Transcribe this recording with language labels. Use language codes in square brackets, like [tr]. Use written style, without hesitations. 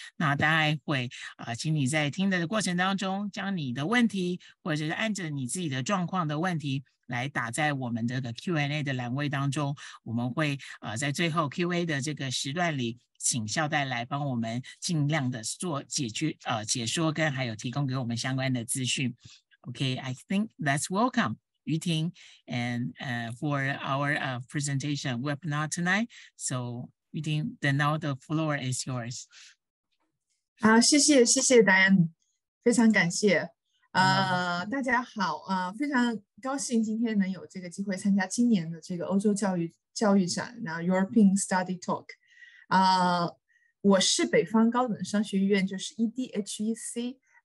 [zh] 那当然会请你在听的过程当中将你的问题或者是按着你自己的状况的问题来打在我们这个 Q&A 的栏位当中，我们会在最后 Q&A 的这个时段里请校代来帮我们尽量的做解说跟还有提供给我们相关的资讯。 [en] OK, I think let's welcome 于婷 and for our presentation webinar tonight. So 于婷, then now the floor is yours. [zh] 好，谢谢 Diane, 非常感谢大家好非常高兴今天能有这个机会参加今年的这个欧洲教育展，那 European Study Talk。我是北方高等商学院，就是 EDHEC